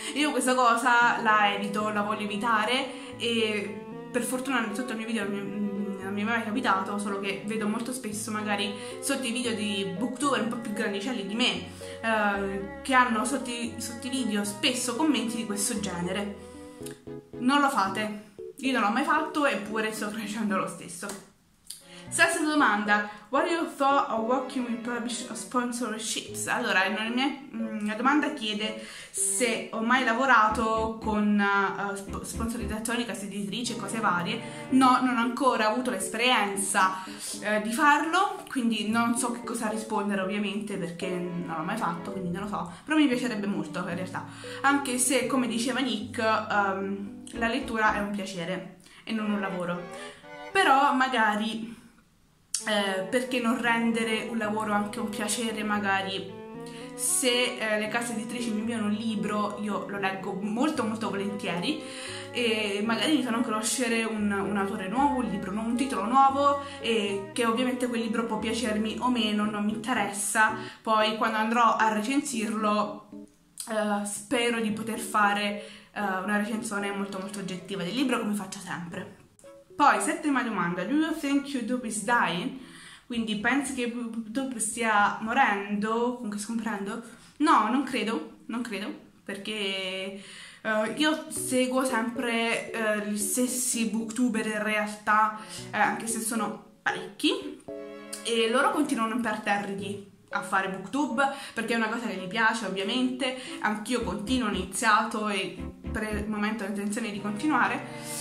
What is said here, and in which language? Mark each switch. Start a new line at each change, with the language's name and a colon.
Italian: Io questa cosa la evito, la voglio evitare, e per fortuna sotto i miei video non mi è mai capitato, solo che vedo molto spesso magari sotto i video di booktuber un po' più grandicelli di me, che hanno sotto i video spesso commenti di questo genere. Non lo fate, io non l'ho mai fatto, eppure sto crescendo lo stesso. Stessa domanda:
English: what are your thoughts of working with publisher sponsorships?
Italian: Allora, la domanda chiede se ho mai lavorato con sponsorizzazioni, case editrici, cose varie. No, non ho ancora avuto l'esperienza di farlo, quindi non so che cosa rispondere, ovviamente, perché non l'ho mai fatto, quindi non lo so. Però mi piacerebbe molto, in realtà. Anche se, come diceva Nick, la lettura è un piacere e non un lavoro. Però magari, perché non rendere un lavoro anche un piacere? Magari se le case editrici mi inviano un libro, io lo leggo molto molto volentieri, e magari mi fanno conoscere un autore nuovo, un libro nuovo, un titolo nuovo, e che ovviamente quel libro può piacermi o meno, non mi interessa. Poi quando andrò a recensirlo, spero di poter fare una recensione molto molto oggettiva del libro, come faccio sempre. Poi, settima domanda:
English: do you think YouTube is dying?
Italian: Quindi, pensi che YouTube stia morendo, comunque scomparendo? No, non credo, perché io seguo sempre gli stessi booktuber in realtà, anche se sono parecchi, e loro continuano imperterriti a fare booktube, perché è una cosa che mi piace, ovviamente, anch'io continuo, ho iniziato e per il momento ho intenzione di continuare.